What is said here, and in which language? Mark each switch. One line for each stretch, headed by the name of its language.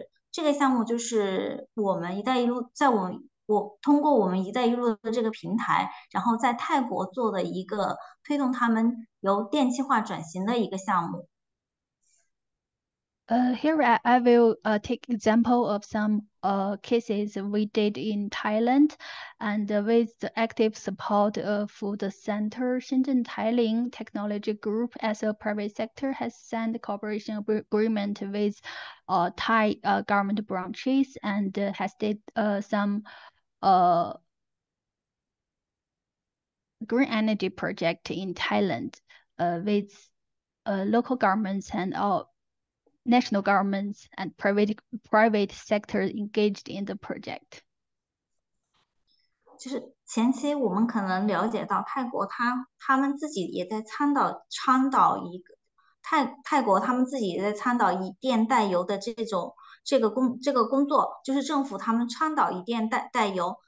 Chinese: 这个项目就是我们“一带一路”在我通过我们“一带一路”的这个平台，然后在泰国做的一个推动他们由电气化转型的一个项目。
English: Here I will take example of some cases we did in Thailand, and with the active support of the center, Shenzhen Tiling Technology Group as a private sector has signed a cooperation agreement with Thai government branches and has did some green energy project in Thailand with local governments and national governments and private sector engaged in the project.
Chinese: 就是前期我们可能了解到泰国他们自己也在倡导一个泰国他们自己也在倡导以电代油的这个工作，就是政府他们倡导以电代油。